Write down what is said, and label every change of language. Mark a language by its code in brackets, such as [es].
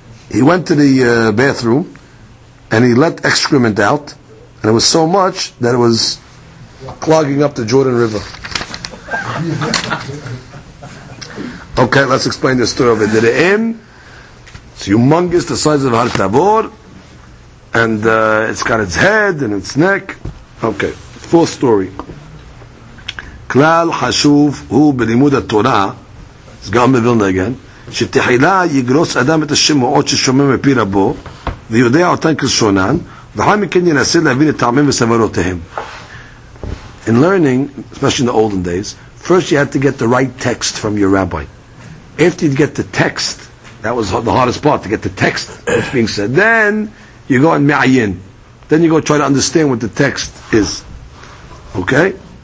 [en] He went to the bathroom and he let excrement out, and it was so much that it was clogging up the Jordan River. Okay, let's explain the story of it. It's humongous, the size of Har Tabor, and it's got its head and its neck. Okay, fourth story. [he] כלל חשוב הוא בלימוד התורה, אז גם בבילנה אגן, שתחילה יגרוס אדם את השמועות ששומע מפי רבו, ויודע אותן כלשונן, ואחר מכן ינסה להבין את טעמים וסברותיהם. [en] In learning, especially in the olden days, first you had to get the right text from your rabbi. After you'd get the text, that was the hardest part, to get the text that's being said. Then you go and me'ayin. Then you go try to understand what the text is. Okay?